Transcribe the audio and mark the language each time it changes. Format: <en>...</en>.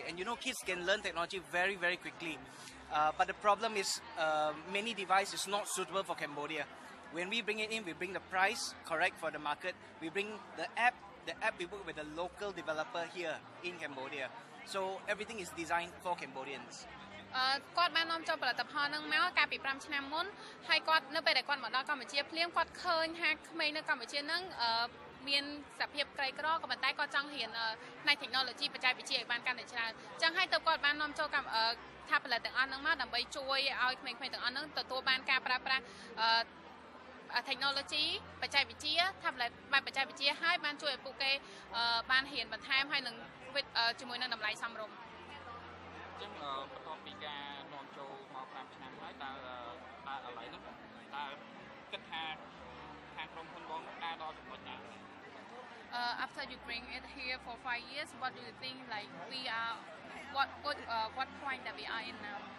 <en>And you know, kids can learn technology very, very quickly. But the problem is many devices not suitable for Cambodia. When we bring it in, we bring the price correct for the market. We bring the app. The app we work with a local developer here in Cambodia. So everything is designed for Cambodians.</en> <km>គាត់បាននាំចូលផលិតផលនឹងមកកាលពី5ឆ្នាំមុនហើយគាត់នៅពេលដែលគាត់មកដល់កម្ពុជាភ្លាមគាត់ឃើញថាក្មេងនៅកម្ពុជានឹងមានសភាពក្រីក្រក៏ប៉ុន្តែគាត់ចង់រៀនផ្នែក technology បច្ចេកវិទ្យាឲ្យបានកាន់តែច្រើនអញ្ចឹងហើយទៅគាត់បាននាំចូលកម្មថាផលិតទាំងអស់នឹងមកដើម្បីជួយឲ្យក្មេងៗទាំងអស់នឹងទទួលបានការប្រើប្រាស់technology បច្ចេកវិទ្យាថាផលិតបែបបច្ចេកវិទ្យាឲ្យបានជួយឲ្យពួកគេបានរៀនបន្ថែមហើយនឹងជាមួយនឹងតម្លៃសមរម្យ ចឹងបន្ទាប់ពីការនាំចូលមក5ឆ្នាំហើយតើអ្វីនោះតើគិតថាខាងក្រុមហ៊ុនបងដើរដល់ចំណុចណា</km> <en>After you bring it here for 5 years what do you think like we are what point that we are in now</en>